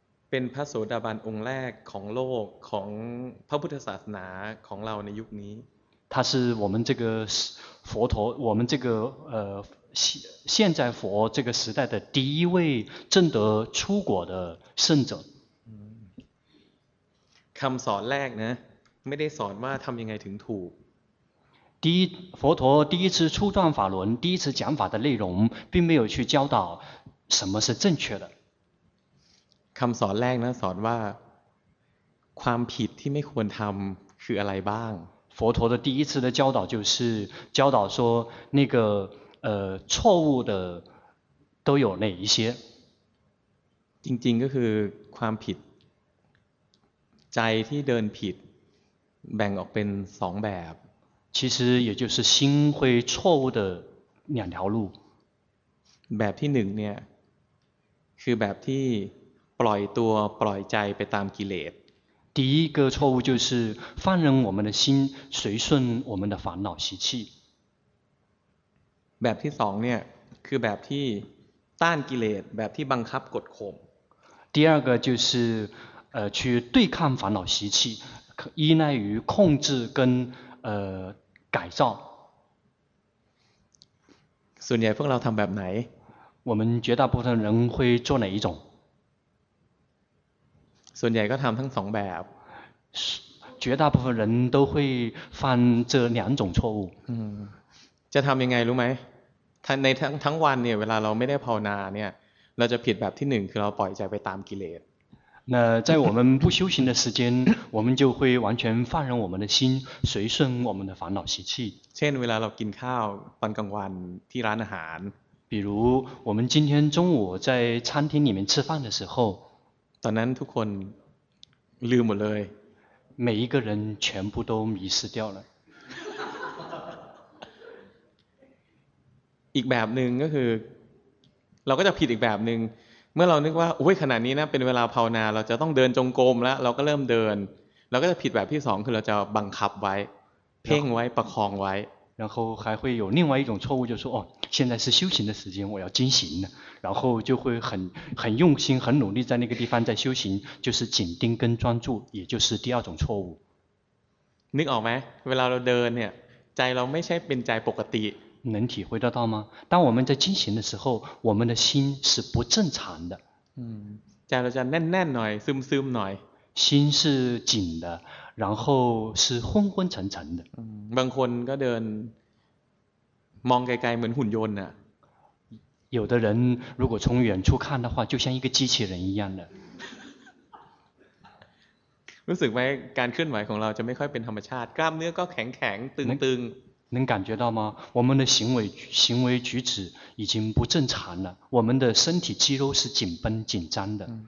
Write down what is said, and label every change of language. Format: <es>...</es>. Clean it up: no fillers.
<th>เป็นพระโสดาบันองค์แรกของโลกของพระพุทธศาสนาของเราในยุคนี้</th> <zh>他是我们这个佛陀我们这个现在佛这个时代的第一位证得出果的圣者</zh> <th>คำสอนแรกนะไม่ได้สอนว่าทำยังไงถึงถูก</th> <zh>佛陀第一次初转法轮第一次讲法的内容并没有去教导什么是正确的</zh> <th>คำสอนแรกนะสอนว่าความผิดที่ไม่ควรทำคืออะไรบ้าง</th> <zh>佛陀的第一次的教导就是教导说那个错误的都有哪一些</zh> <th>จริงๆก็คือความผิดใจที่เดินผิดแบ่งออกเป็นสองแบบ</th> <zh>其实也就是心会错误的两条路</zh> <th>แบบที่หนึ่งเนี่ยคือแบบที่ปล่อยตัวปล่อยใจไปตามกิเลส</th> <zh>第一个错误就是放任我们的心随顺我们的烦恼习气</zh> <th>แบบที่สองเนี่ยคือแบบที่ต้านกิเลสแบบที่บังคับกดข่ม</th> <zh>第二个就是去对抗烦恼习气依赖于控制跟改造</zh> <th>ส่วนใหญ่พวกเราทำแบบไหน</th> <zh>我们绝大部分人会做哪一种</zh> <th>ส่วนใหญ่ก็ทำทั้งสองแบบ</th> <zh>绝大部分人都会犯这两种错误</zh> <th>จะทำยังไงรู้ไหมในทั้งวันเนี่ยเวลาเราไม่ได้ภาวนาเนี่ยเราจะผิดแบบที่หนึ่งคือเราปล่อยใจไปตามกิเลส</th> <zh>那在我们不修行的时间我们就会完全放任我们的心随顺我们的烦恼习气</zh> <th>เช่นเวลาเรากินข้าวตอนกลางวันที่ร้านอาหาร</th> <zh>比如我们今天中午在餐厅里面吃饭的时候</zh> <th>ตอนนั้นทุกคนลืมหมดเลย</th> <zh>每一个人全部都迷失掉了</zh> <th>อีกแบบหนึ่งก็คือเราก็จะผิดอีกแบบหนึ่งเมื่อเรานึกว่าโอ้ยขนาดนี้นะเป็นเวลาภาวนาเราจะต้องเดินจงกรมแล้วเราก็เริ่มเดินเราก็จะผิดแบบที่สองคือเราจะบังคับไว้เพ่งไว้ประคองไว้</th> <zh>然后还会有另外一种错误，就是说哦，现在是修行的时间，我要精行呢。然后就会很用心、很努力在那个地方在修行，就是紧盯跟专注，也就是第二种错误。你懂吗？</zh> <th>เวลาเราเดินเนี่ย，ใจเราไม่ใช่เป็นใจปกติ。</th> <zh>能体会得到吗？当我们在精行的时候，我们的心是不正常的。</zh> <th>ใจเราจะแน่นๆหน่อย，ซึมซึมหน่อย。</th> <zh>心是紧的。然后是昏昏沉沉的</zh> <th>บางคนก็เดินมองไกลๆเหมือนหุ่นยนต์น่ะ</th> <zh>有的人如果从远处看的话就像一个机器人一样的</zh> <th>รู้สึกไหมการเคลื่อนไหวของเราจะไม่ค่อยเป็นธรรมชาติกล้ามเนื้อก็แข็งแข็งตึงตึง</th> <zh>能感觉到吗我们的行为举止已经不正常了我们的身体肌肉是紧绷紧张的</zh>